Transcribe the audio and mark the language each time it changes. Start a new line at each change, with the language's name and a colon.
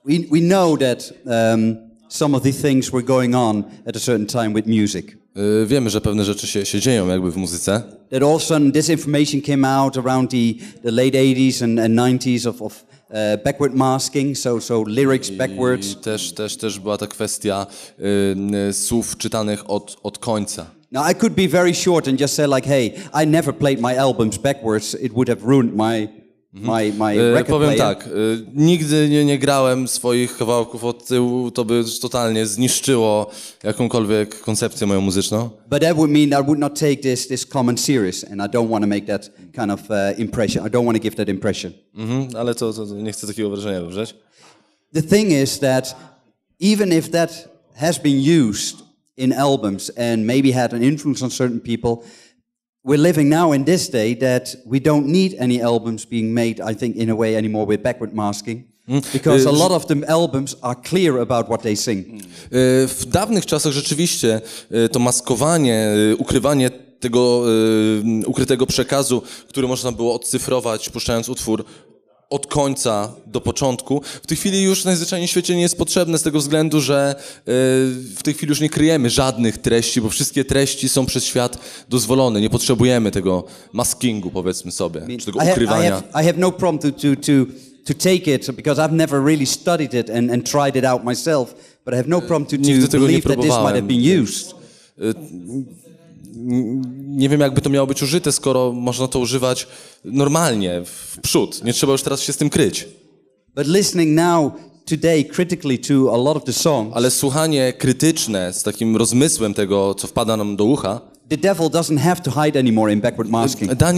English: We know that some of the things were going on at a certain time with music.
Polish: Wiemy, że pewne rzeczy się dzieją jakby w muzyce.
English: That all of a sudden this information came out around the late 80s and 90s of backward masking, so lyrics backwards.
Polish: I też była ta kwestia słów czytanych od końca.
English: Now I could be very short and just say like, hey, I never played my albums backwards. It would have ruined my record
Polish: powiem
English: player.
Polish: Tak, nigdy nie grałem swoich kawałków od tyłu, to by totalnie zniszczyło jakąkolwiek koncepcję moją muzyczną.
English: But that would mean I would not take this comment serious and I don't want to make that kind of impression. I don't want to give that impression.
Polish: Ale to nie chcę takiego wrażenia wywrzeć.
English: The thing is that even if that has been used in albums and maybe had an influence on certain people, we're living now in this day that we don't need any albums being made, I think, in a way anymore with backward masking, because a lot of them albums are clear about what they sing.
Polish: W dawnych czasach rzeczywiście to maskowanie, ukrywanie tego ukrytego przekazu, który można było odcyfrować, puszczając utwór od końca do początku, w tej chwili już najzwyczajniej w świecie nie jest potrzebne z tego względu, że w tej chwili już nie kryjemy żadnych treści, bo wszystkie treści są przez świat dozwolone. Nie potrzebujemy tego maskingu, powiedzmy sobie, czy tego ukrywania.
English: I have no problem to take it, because I've never really studied it and tried it out myself, but I have no problem to believe that this might have been used.
Polish: Nie wiem, jakby to miało być użyte, skoro można to używać normalnie, w przód. Nie trzeba już teraz się z tym kryć.
English: But listening now, today, critically to a lot of the songs,
Polish: ale słuchanie krytyczne, z takim rozmysłem tego, co wpada nam do ucha,
English: the devil doesn't have to hide anymore in backward masking.